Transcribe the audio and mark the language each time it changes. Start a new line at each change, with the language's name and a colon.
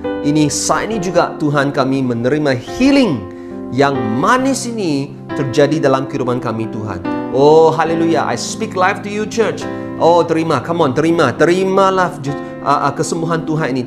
Indonesian: Ini saat ini juga Tuhan, kami menerima healing yang manis ini terjadi dalam kehidupan kami Tuhan.
English: Oh haleluya, I speak life to you church.
Indonesian: Oh terima,
English: come on,
Indonesian: terima. Terimalah kesembuhan Tuhan ini.